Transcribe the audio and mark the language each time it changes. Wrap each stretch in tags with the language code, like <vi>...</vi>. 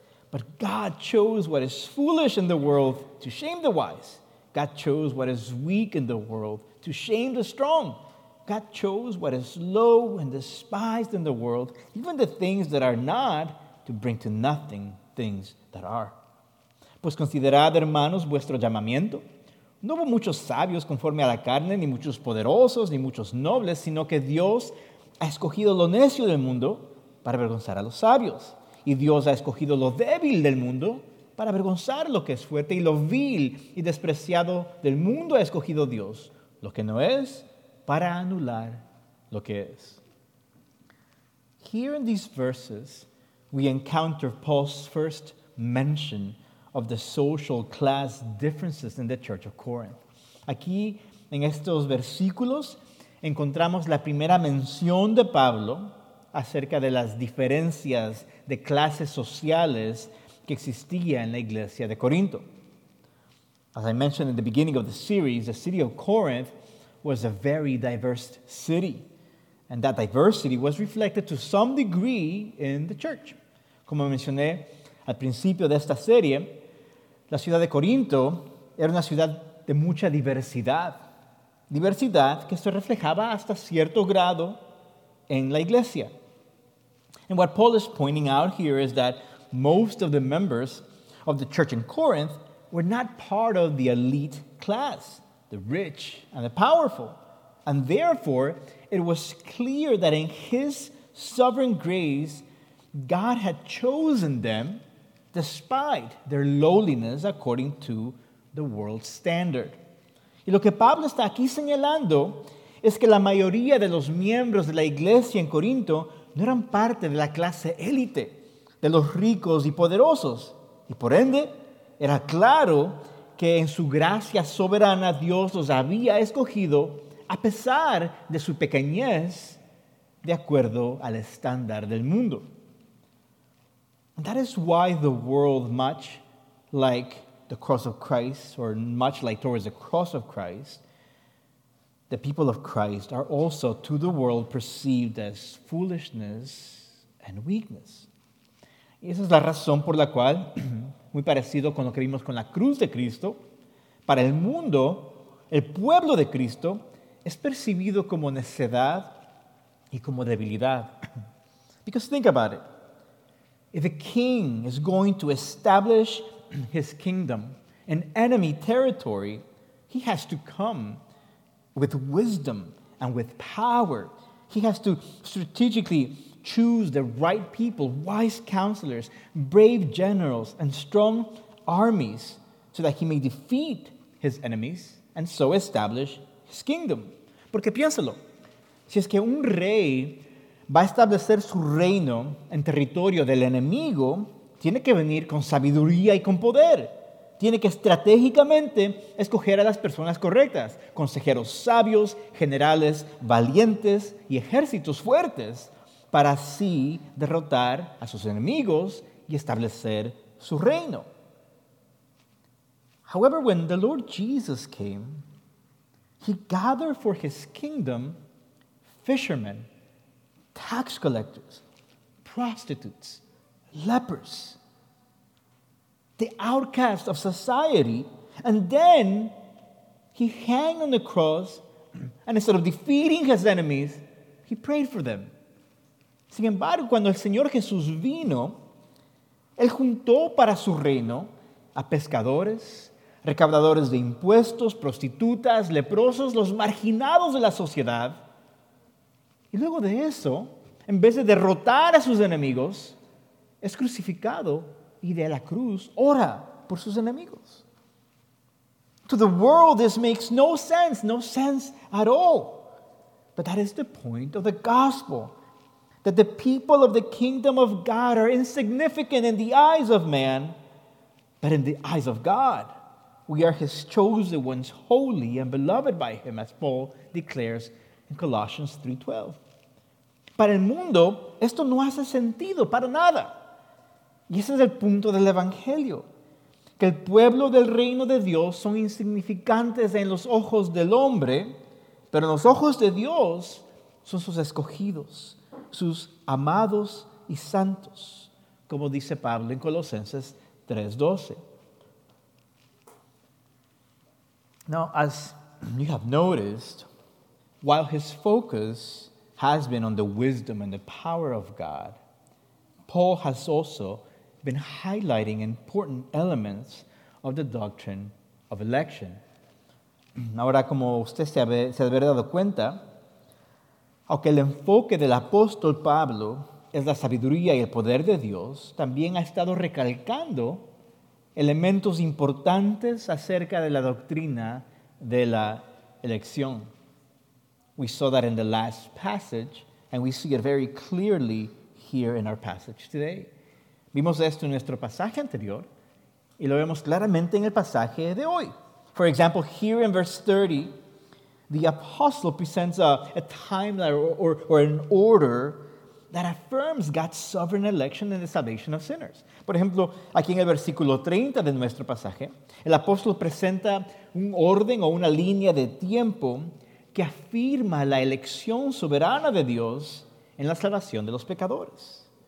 <en>But God chose what is foolish in the world to shame the wise. God chose what is weak in the world to shame the strong. God chose what is low and despised in the world, even the things that are not, to bring to nothing things that are.</en> <es>Pues considerad, hermanos, vuestro llamamiento. No hubo muchos sabios conforme a la carne, ni muchos poderosos, ni muchos nobles, sino que Dios ha escogido lo necio del mundo para avergonzar a los sabios. Y Dios ha escogido lo débil del mundo para avergonzar lo que es fuerte. Y lo vil y despreciado del mundo ha escogido Dios, lo que no es, para anular lo que es.</es> <en>Here in these verses, we encounter Paul's first mention of the social class differences in the church of Corinth.</en> <es>Aquí, en estos versículos, encontramos la primera mención de Pablo acerca de las diferencias de clases sociales que existía en la iglesia de Corinto.</es> <en>As I mentioned in the beginning of the series, the city of Corinth was a very diverse city, and that diversity was reflected to some degree in the church.</en> <es>Como mencioné al principio de esta serie, la ciudad de Corinto era una ciudad de mucha diversidad. Diversidad que se reflejaba hasta cierto grado en la iglesia.</es> <en>And what Paul is pointing out here is that most of the members of the church in Corinth were not part of the elite class, the rich and the powerful. And therefore, it was clear that in his sovereign grace, God had chosen them despite their lowliness according to the world standard.</en> <es>Y lo que Pablo está aquí señalando es que la mayoría de los miembros de la iglesia en Corinto no eran parte de la clase élite, de los ricos y poderosos. Y por ende, era claro que en su gracia soberana Dios los había escogido a pesar de su pequeñez de acuerdo al estándar del mundo.</es> <en>And that is why the world, much like the cross of Christ, or much like towards the cross of Christ, the people of Christ are also to the world perceived as foolishness and weakness.</en> <es>Y esa es la razón por la cual, muy parecido con lo que vimos con la cruz de Cristo, para el mundo, el pueblo de Cristo, es percibido como necedad y como debilidad.</es> <en>Because think about it. If a king is going to establish his kingdom in enemy territory, he has to come with wisdom and with power. He has to strategically choose the right people, wise counselors, brave generals, and strong armies so that he may defeat his enemies and so establish his kingdom.</en> <es>Porque piénsalo, si es que un rey va a establecer su reino en territorio del enemigo, tiene que venir con sabiduría y con poder. Tiene que estratégicamente escoger a las personas correctas, consejeros sabios, generales valientes y ejércitos fuertes, para así derrotar a sus enemigos y establecer su reino.</es> <en>However, when the Lord Jesus came, he gathered for his kingdom fishermen, tax collectors, prostitutes, lepers, the outcasts of society, and then he hung on the cross, and instead of defeating his enemies, he prayed for them.</en> <es>Sin embargo, cuando el Señor Jesús vino, él juntó para su reino a pescadores, recaudadores de impuestos, prostitutas, leprosos, los marginados de la sociedad. Y luego de eso, en vez de derrotar a sus enemigos, es crucificado y de la cruz ora por sus enemigos.</es> <en>To the world, this makes no sense, no sense at all. But that is the point of the gospel, that the people of the kingdom of God are insignificant in the eyes of man, but in the eyes of God, we are his chosen ones, holy and beloved by him, as Paul declares in Colossians 3:12.</en> <es>Para el mundo, esto no hace sentido para nada. Y ese es el punto del Evangelio, que el pueblo del reino de Dios son insignificantes en los ojos del hombre, pero en los ojos de Dios son sus escogidos, sus amados y santos, como dice Pablo en Colosenses 3:12.</es> <en>Now, as you have noticed, while his focus has been on the wisdom and the power of God, Paul has also been highlighting important elements of the doctrine of election.</en> <es>Ahora, como usted se habrá dado cuenta, aunque el enfoque del apóstol Pablo es la sabiduría y el poder de Dios, también ha estado recalcando elementos importantes acerca de la doctrina de la elección.</es> <en>We saw that in the last passage, and we see it very clearly here in our passage today.</en> <es>Vimos esto en nuestro pasaje anterior, y lo vemos claramente en el pasaje de hoy.</es> <en>For example, here in verse 30, the apostle presents a timeline or an order that affirms God's sovereign election and the salvation of sinners.</en> <es>Por ejemplo, aquí en el versículo 30 de nuestro pasaje, el apóstol presenta un orden o una línea de tiempo que afirma la elección soberana de Dios en la salvación de los pecadores.</es>